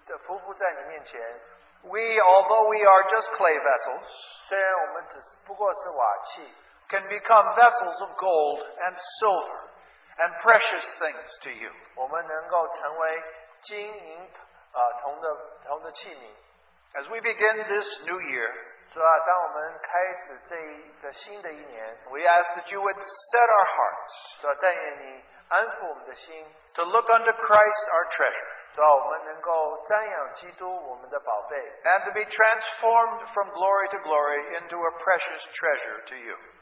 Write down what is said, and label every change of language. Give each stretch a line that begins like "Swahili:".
Chinese: 我们知道当我们匍匐在你面前,
English: we, although we are just clay vessels,
Chinese: 虽然我们只不过是瓦器,
English: can become vessels of gold and silver and precious things to you. As we begin this new year,
Chinese: 主啊,当我们开始这一个新的一年,
English: we ask that you would set our hearts,
Chinese: 主啊,但愿你安抚我们的心,
English: to look unto Christ our treasure,
Chinese: 主啊,我们能够瞻仰基督我们的宝贝,
English: and to be transformed from glory to glory into a precious treasure to you.